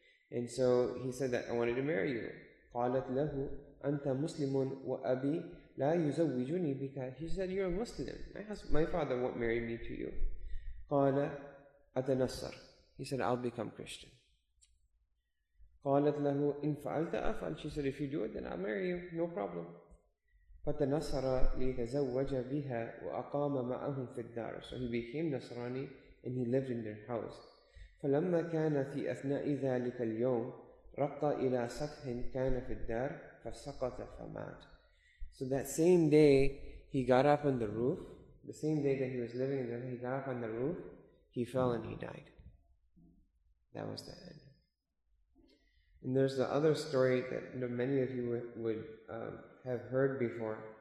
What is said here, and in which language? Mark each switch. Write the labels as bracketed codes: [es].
[en] And so he said that I wanted to marry you. [ar] قالت له, أنت مسلم وأبي لا يزوجني بك. [en] He said, you're a Muslim. My father won't marry me to you. [ar] قال أتنصر. [en] He said, I'll become Christian. [ar] قالت له, إن فعلت أفعل. [en] She said, if you do it, then I'll marry you. No problem. [ar] فتنصر ليتزوج بها وأقام معهم في الدار. [en] So he became Nasrani and he lived in their house. [ar] فلما كان في أثناء ذلك اليوم رق إلى سطح كان في الدار فسقط فمات. [en] So that same day, he got up on the roof. The same day that he was living in the roof, he got up on the roof, he fell and he died. That was the end. And there's the other story that you know, many of you would have heard before.